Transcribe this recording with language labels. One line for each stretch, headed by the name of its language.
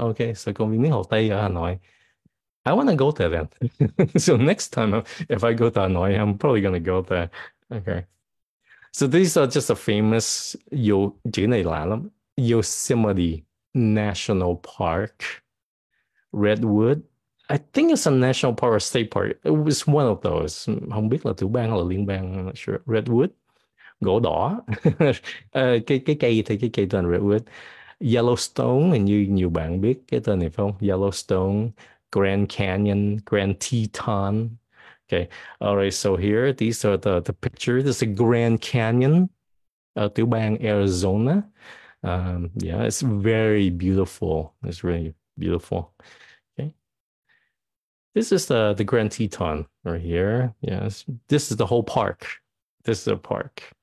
Vietnamese: Okay, so công viên nước Hồ Tây ở Hà Nội.
English: I want to go there then. So next time, if I go to Hà Nội, I'm probably going to go there. Okay. So these are just a famous,
Vietnamese: chữ này lạ lắm.
English: Yosemite National Park. Redwood. I think it's a national park or state park. It was one of those.
Vietnamese: Không biết là tiểu bang hay là liên bang.
English: I'm not sure.
Vietnamese: Redwood. Gỗ đỏ. cái cây thì cái cây tên Redwood. Yellowstone, hình như nhiều bạn biết cái tên này phải không?
English: Yellowstone, Grand Canyon, Grand Teton. Okay. All right, so here, these are the picture. This is Grand Canyon, tiểu bang Arizona. Yeah, it's very beautiful. It's really beautiful. This is the Grand Teton right here. Yes. This is the whole park. This is the park.